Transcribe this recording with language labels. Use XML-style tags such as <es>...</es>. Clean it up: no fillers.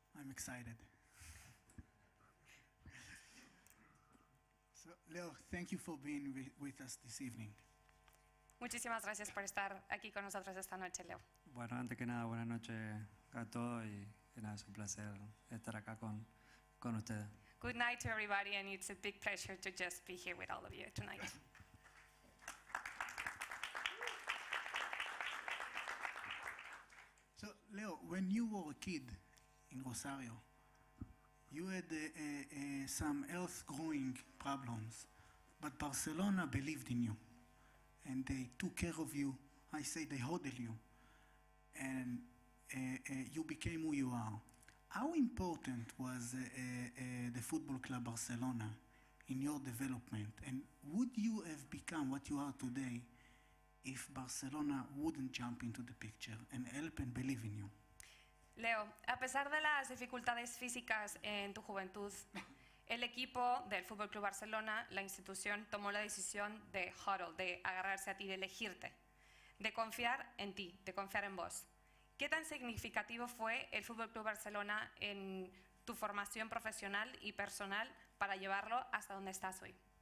<en>Excited. So, Leo, thank you for being with us this evening.</en> <es>Muchísimas gracias por estar aquí con nosotros esta noche, Leo. Bueno, antes que nada, buenas noches a todos y nada, es un placer estar acá con ustedes.</es> <en>Good night to everybody, and it's a big pleasure to just be here with all of you tonight. So, Leo, when you were a kid in Rosario, you had some health growing problems, but Barcelona believed in you, and they took care of you. I say they hodled you, and you became who you are. How important was the football club Barcelona in your development, and would you have become what you are today if Barcelona wouldn't jump into the picture and help and believe in you?</en> <es>Leo, a pesar de las dificultades físicas en tu juventud, el equipo del FC Barcelona, la institución, tomó la decisión de huddle, de agarrarse a ti, de elegirte, de confiar en ti, de confiar en vos. ¿Qué tan significativo fue el FC Barcelona en tu formación profesional y personal para llevarlo hasta donde estás hoy?</es>